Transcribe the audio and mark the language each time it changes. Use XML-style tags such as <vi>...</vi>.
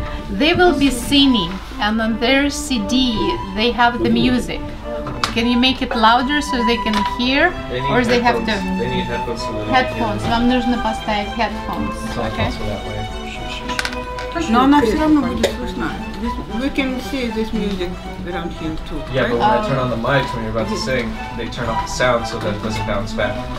<en>They will be singing, and on their CD they have the music. Can you make it louder so they can hear, or they have to? They need headphones. Headphones.</en> <ru>Вам нужно поставить headphones.</ru> <en>Okay.</en> <ru>Но она все равно будет слышна.</ru> <en>We can see this music around here too. Right? Yeah, but when I turn on the mics when you're about to sing, they turn off the sound so that it doesn't bounce back.</en>